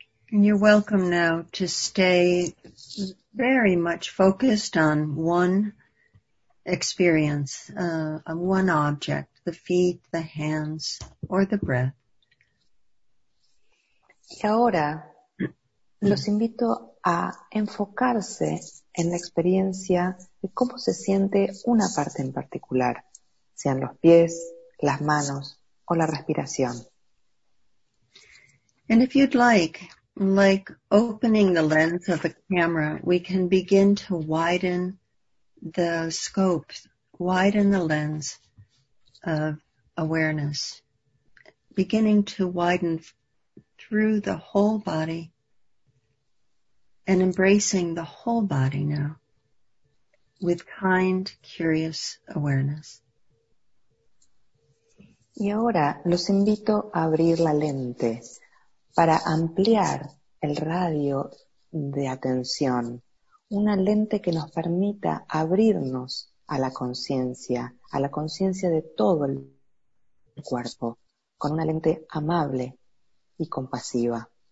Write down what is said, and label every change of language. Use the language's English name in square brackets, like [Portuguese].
[English] You're welcome now to stay very much focused on one experience, one object, the feet, the hands, or the breath. [Spanish] Y ahora los invito a enfocarse en la experiencia de cómo se siente una parte en particular, sean los pies, las manos o la respiración. [English] And if you'd like opening the lens of a camera, we can begin to widen the scope, widen the lens of awareness, beginning to widen through the whole body and embracing the whole body now with kind, curious awareness. [Spanish] Y ahora los invito a abrir la lente para ampliar el radio de atención, una lente que nos permita abrirnos a la conciencia de todo el cuerpo, con una lente amable y compasiva.